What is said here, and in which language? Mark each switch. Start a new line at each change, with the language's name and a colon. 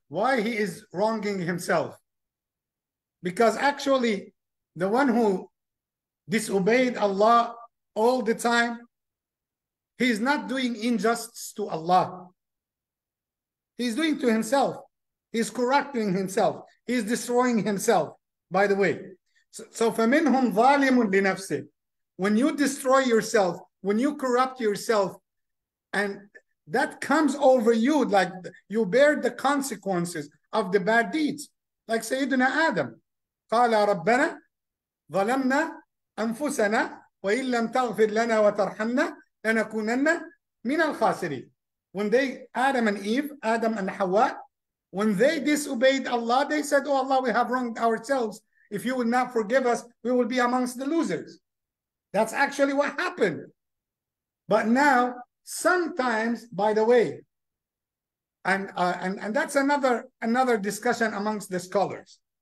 English: Why he is wronging himself? Because actually, the one who disobeyed Allah all the time, he is not doing injustice to Allah. He's doing to himself. He's corrupting himself. He's destroying himself, by the way.
Arabic: So فَمِنْهُمْ ظَالِمٌ لِنَفْسِهِ.
English: When you destroy yourself, when you corrupt yourself, and that comes over you, like you bear the consequences of the bad deeds.
Arabic: Like Sayyidina Adam, قَالَ رَبَّنَا ظَلَمْنَا أَنفُسَنَا وَإِن لَمْ تَغْفِرْ لَنَا وَتَرْحَمْنَا لَنَكُونَنَّ مِنَ الْخَاسِرِينَ.
English: When they, Adam and Eve, Adam and Hawa, when they disobeyed Allah, they said, oh Allah, we have wronged ourselves. If you would not forgive us, we will be amongst the losers. That's actually what happened. But now, sometimes, by the way, and that's another discussion amongst the scholars.